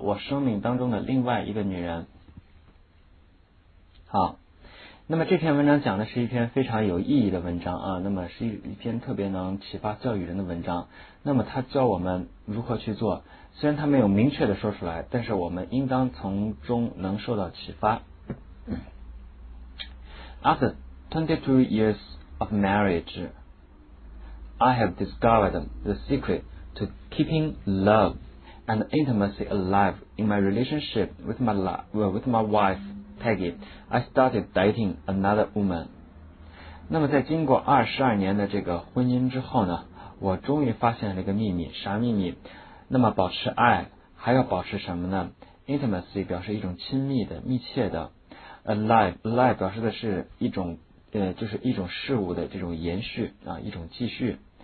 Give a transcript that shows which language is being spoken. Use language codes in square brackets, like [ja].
[zh] 我生命当中的另外一个女人。好，那么这篇文章讲的是一篇非常有意义的文章啊，那么是一篇特别能启发教育人的文章。那么它教我们如何去做，虽然它没有明确的说出来，但是我们应当从中能受到启发。 [en] After 22 years of marriage, I have discovered the secret to keeping love and intimacy alive in my relationship with my wife Peggy. I started dating another woman. [zh] 那么在经过22年的这个婚姻之后呢，我终于发现了一个秘密，啥秘密？那么保持爱还要保持什么呢 ？Intimacy 表示一种亲密的、密切的。 Alive 表示的是一种就是一种事物的这种延续啊，一种继续。